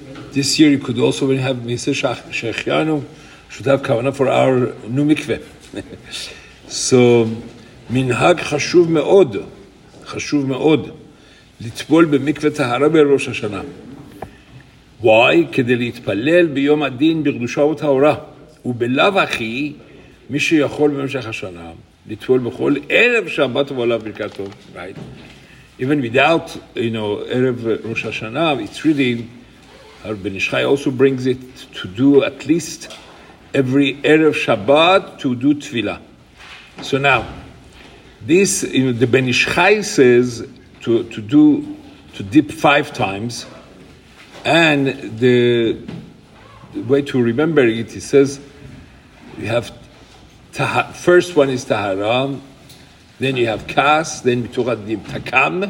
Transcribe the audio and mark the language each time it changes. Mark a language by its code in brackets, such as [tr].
[en] This year you could also, when you have Mitzvah Shehechyanu, should have kavanah for our new mikve. [he] So, minhag chashuv meod, חשוב מאוד לטבול במקווה טהרה בראש השנה. Why? כדי להתפלל ביום הדין בקדושה וטהרה. ובלאו הכי, מי שיכול במשך השנה לטבול בכל ערב שבת ועולה ברכת טוב. [en] Right? Even without, you know, ערב ראש השנה, it's really, בן איש חי also brings it to do at least every ערב שבת to do תפילה. So now, this, you know, the Ben Ish Chai says to dip five times, and the way to remember it, he says, you have first one is Tahara, then you have Kas, then Mitura Dib, Takam.